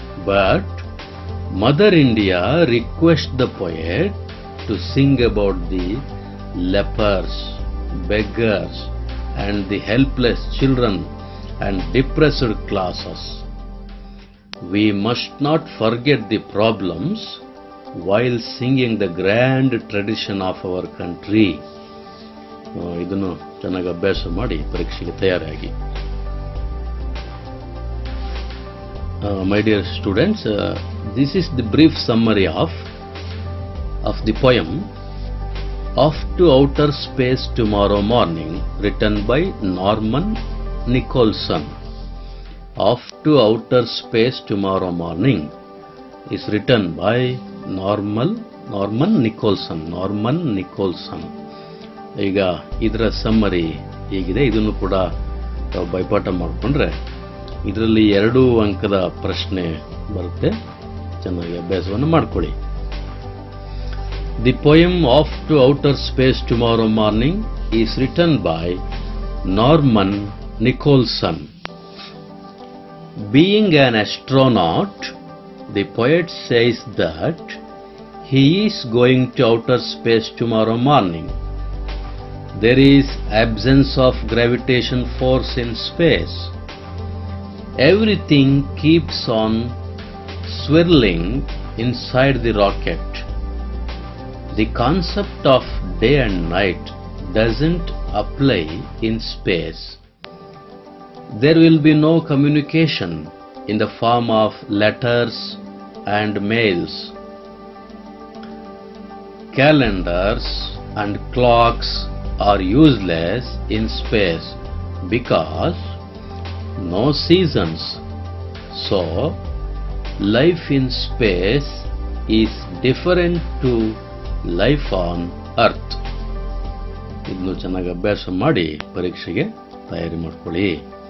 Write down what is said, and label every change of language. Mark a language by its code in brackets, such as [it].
[en] But Mother India requests the poet to sing about the lepers, beggars and the helpless children and depressed classes. We must not forget the problems while singing the grand tradition of our country. [kn] ಇದನ್ನು ಚೆನ್ನಾಗಿ ಅಭ್ಯಾಸ ಮಾಡಿ ಪರೀಕ್ಷೆಗೆ ತಯಾರಾಗಿ. [en] My dear students, this is the brief summary of the poem off to outer space tomorrow morning, written by Norman Nicholson. Off to Outer Space Tomorrow Morning is written by Norman Nicholson. [kn] ಈಗ ಇದರ summary ಹೀಗಿದೆ. ಇದನ್ನು ಕೂಡ ಬೈಪಾಠ ಮಾಡಿಕೊಂಡ್ರೆ ಇದರಲ್ಲಿ ಎರಡು ಅಂಕದ ಪ್ರಶ್ನೆ ಬರುತ್ತೆ. ಚೆನ್ನಾಗಿ ಅಭ್ಯಾಸವನ್ನು ಮಾಡಿಕೊಳ್ಳಿ. [en] The poem off to outer space tomorrow morning is written by Norman Nicholson. Being an astronaut, the poet says that he is going to outer space tomorrow morning. There is absence of gravitation force in space. Everything keeps on swirling inside the rocket. The concept of day and night doesn't apply in space. There will be no communication in the form of letters and mails. Calendars and clocks are useless in space because no seasons. So, life in space is different to life on Earth. [kn] ಇದನ್ನು ಚೆನ್ನಾಗಿ ಅಭ್ಯಾಸ ಮಾಡಿ ಪರೀಕ್ಷೆಗೆ ತಯಾರಿ ಮಾಡ್ಕೊಳ್ಳಿ.